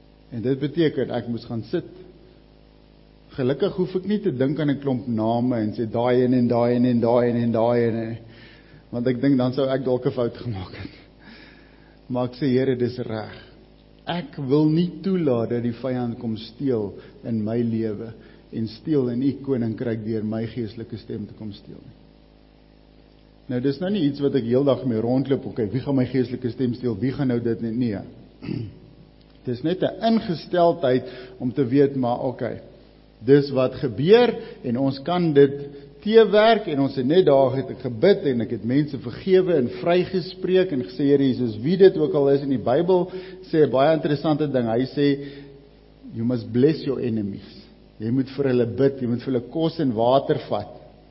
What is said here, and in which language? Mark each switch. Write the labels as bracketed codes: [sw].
[af] En dit beteken ek moes gaan sit. Gelukkig hoef ek nie te dink aan 'n klomp name en sê daai een en daai een en daai een en daai een, want ek dink dan sou ek dalk 'n fout gemaak het. Maar ek sê, Here, dis reg. Ek wil nie toelaat dat die vyand kom steel in my lewe en steel in u koninkryk deur my geestelike stem te kom steel nie. Nou dis nou nie iets wat ek heeldag mee rondloop, okay, wie gaan my geestelike stem steel? Wie gaan nou dit nie? Nee. Dis net 'n ingesteldheid om te weet, maar okay, dis wat gebeur en ons kan dit teewerk en ons het net daar het ek gebid en ek het mense vergewe en vrygespreek en gesê, Here Jesus, wie dit ook al is, in die Bybel sê 'n baie interessante ding, hy sê, [en] you must bless your enemies, [af] jy moet vir hulle bid, jy moet vir hulle kos en water vat.